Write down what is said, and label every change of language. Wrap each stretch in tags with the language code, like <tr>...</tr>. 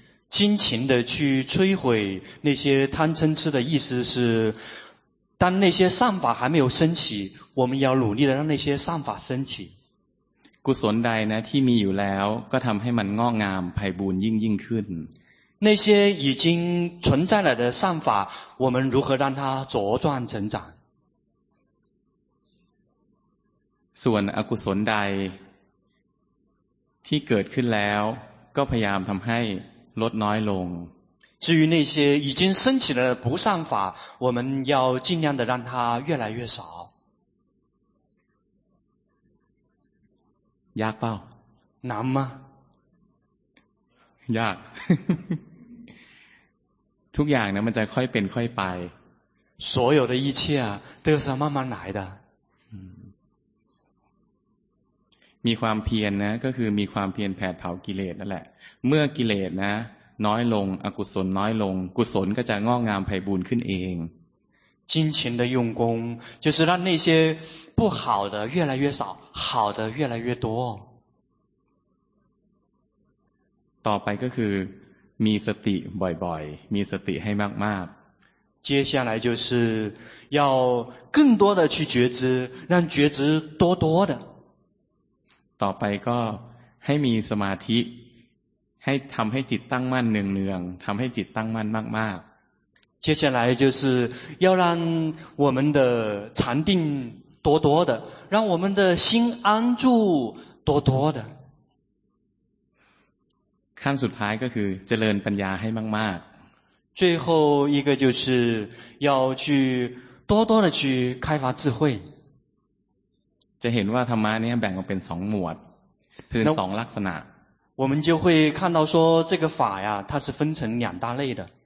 <zh>辛勤的去摧毁那些贪嗔痴的意思是当那些善法还没有升起我们要努力的让那些善法升起</zh> <th>กุศลใดนะที่มีอยู่แล้วก็ทำให้มันงอกงามไพบูลย์ยิ่งขึ้น</th> <zh>那些已经存在了的善法我们如何让它茁壮成长</zh> <th>ส่วนอกุศลใดที่เกิดขึ้นแล้วก็พยายามทำให้ลดน้อยลง</th> <zh>至于那些已经升起的不善法我们要尽量的让它越来越少</zh> <th>ยากเปล่า</th> <zh>难吗</zh> <th>ยาก ทุกอย่างนะมันจะค่อยเป็นค่อยไป</th> <zh>所有的一切都是慢慢来的</zh> <th>มีความเพียรนะก็คือมีความเพียรแผดเผากิเลสนั่นแหละเมื่อกิเลสนะน้อยลงอกุศลน้อยลงกุศลก็จะงอกงามไพบูลย์ขึ้นเอง</th> <zh>辛勤的用功就是让那些不好的越来越少好的越来越多</zh> <th>ต่อไปก็คือมีสติบ่อยๆมีสติให้มาก</th> <zh>ๆ接下来就是要更多的去觉知让觉知多多的</zh> <th>ต่อไปก็ให้มีสมาธิให้ทำให้จิตตั้งมั่นเนืองๆทำให้จิตตั้งมั่นมาก</th> <zh>ๆ接下来就是要让我们的禅定多多的让我们的心安住多多的</zh> <th>ขั้นสุดท้ายก็คือเจริญปัญญาให้มาก</th> <zh>ๆ最后一个就是要去多多的去开发智慧</zh> <th>จะเห็นว่าธรรมะนี้แบ่งออกเป็นสองหมวดคือสองลักษณะ</th> <zh>我们就会看到说这个法呀它是分成两大类的</zh>